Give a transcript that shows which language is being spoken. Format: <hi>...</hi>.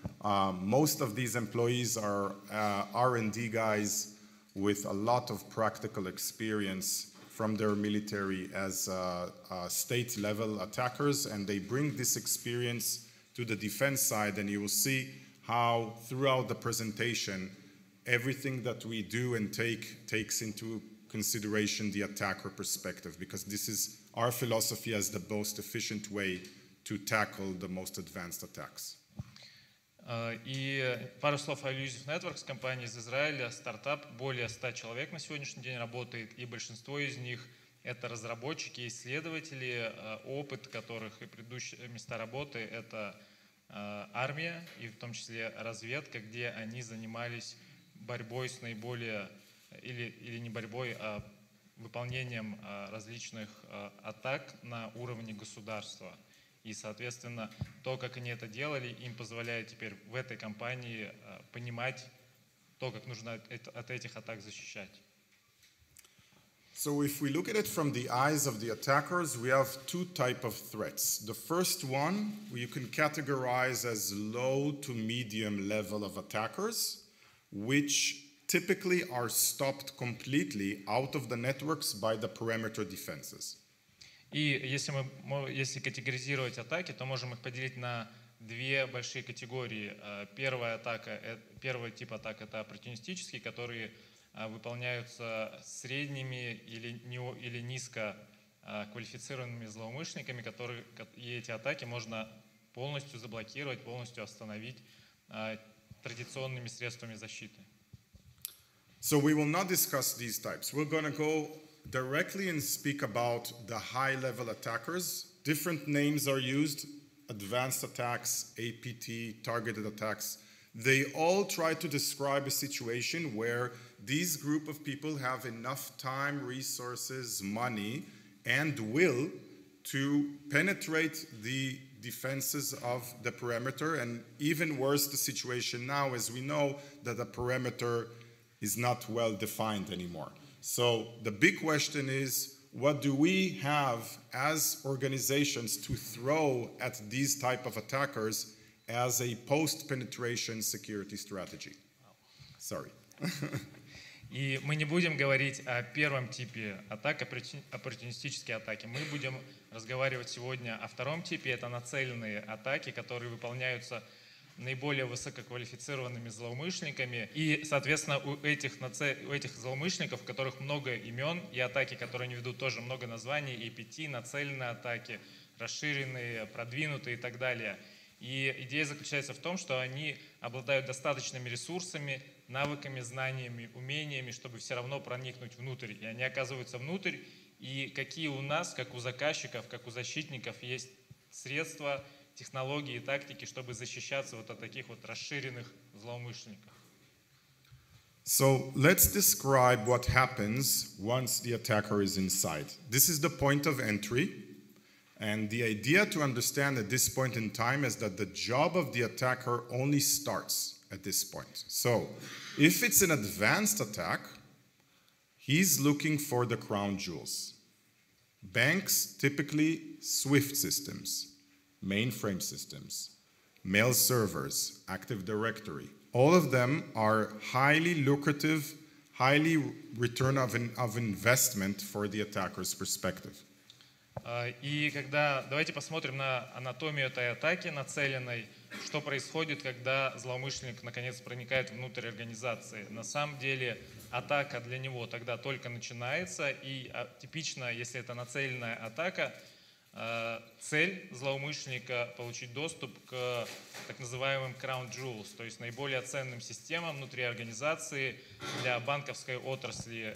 <en>Most of these employees are R&D guys with a lot of practical experience from their military as state-level attackers, and they bring this experience to the defense side, and you will see how throughout the presentation everything that we do and take takes into consideration the attacker perspective, because this is our philosophy as the most efficient way to tackle the most advanced attacks.</en> <ru>И пару слов о Illusive Networks, компании из Израиля, стартап, более 100 человек на сегодняшний день работает, и большинство из них — это разработчики, исследователи, опыт которых и предыдущие места работы — это армия, и в том числе разведка, где они занимались борьбой с наиболее, или не борьбой, а выполнением различных атак на уровне государства. И, соответственно, то, как они это делали, им позволяет теперь в этой компании понимать то, как нужно от этих атак защищать.</ru> <en>So if we look at it from the eyes of the attackers, we have two type of threats. The first one you can categorize as low to medium level of attackers, which typically are stopped completely out of the networks by the perimeter defenses.</en> <ru>И если категоризировать атаки, то можем их поделить на две большие категории. Первый тип атак — это оппортунистические, которые выполняются средними или низко квалифицированными злоумышленниками, и эти атаки можно полностью заблокировать, полностью остановить традиционными средствами защиты.</ru> <en>So we will not discuss these types. We're going to go directly and speak about the high-level attackers. Different names are used: advanced attacks, APT, targeted attacks. They all try to describe a situation where these group of people have enough time, resources, money, and will to penetrate the defenses of the perimeter. And even worse, the situation now, as we know, that the perimeter is not well defined anymore. So the big question is, what do we have as organizations to throw at these type of attackers as a post-penetration security strategy? Sorry.</en> <ru>И мы не будем говорить о первом типе атак, оппортунистические атаки. Мы будем разговаривать сегодня о втором типе. Это нацеленные атаки, которые выполняются наиболее высококвалифицированными злоумышленниками. И, соответственно, у этих злоумышленников, у которых много имен, и атаки, которые они ведут, тоже много названий, APT, нацеленные атаки, расширенные, продвинутые и так далее. И идея заключается в том, что они обладают достаточными ресурсами, навыками, знаниями, умениями, чтобы все равно проникнуть внутрь. И они оказываются внутрь. И какие у нас, как у заказчиков, как у защитников, есть средства, технологии и тактики, чтобы защищаться вот от таких вот расширенных злоумышленников.</ru> <en>So let's describe what happens once the attacker is inside. This is the point of entry, and the idea to understand at this point in time is that the job of the attacker only starts at this point. So if it's an advanced attack, he's looking for the crown jewels. Banks, typically SWIFT systems, mainframe systems, mail servers, Active Directory, all of them are highly lucrative, highly return of investment for the attacker's perspective.</en> <ru>И когда, давайте посмотрим на анатомию этой атаки нацеленной, что происходит, когда злоумышленник наконец проникает внутрь организации. На самом деле атака для него тогда только начинается, и типично, если это нацеленная атака, цель злоумышленника – получить доступ к так называемым crown jewels, то есть наиболее ценным системам внутри организации для банковской отрасли.</ru>